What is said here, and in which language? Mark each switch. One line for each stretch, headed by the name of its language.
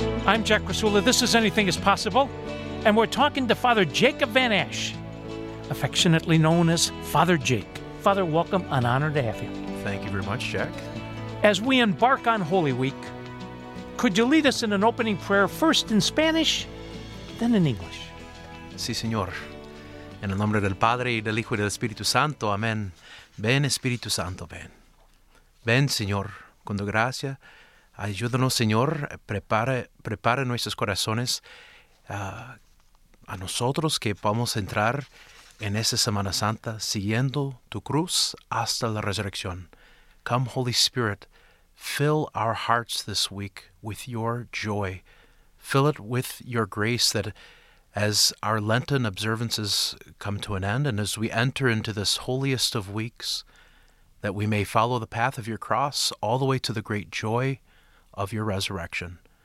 English: I'm Jack Rasula, this is Anything Is Possible, and we're talking to Father Jacob Van Ash, affectionately known as Father Jake. Father, welcome, an honor to have you. Thank you very much, Jack. As we embark on Holy Week, could you lead us in an opening prayer, first in Spanish, then in English?
Spanish: Sí, señor. En el nombre del Padre, y del Hijo, y del Espíritu Santo. Amén. Ven, Espíritu Santo, ven. Ven, Señor, con tu gracia. Ayúdanos, Señor, prepare nuestros corazones a nosotros que podamos entrar en esta Semana Santa siguiendo tu cruz hasta la resurrección.
English: Come, Holy Spirit, fill our hearts this week with your joy. Fill it with your grace that as our Lenten observances come to an end and as we enter into this holiest of weeks, that we may follow the path of your cross all the way to the great joy of your resurrection.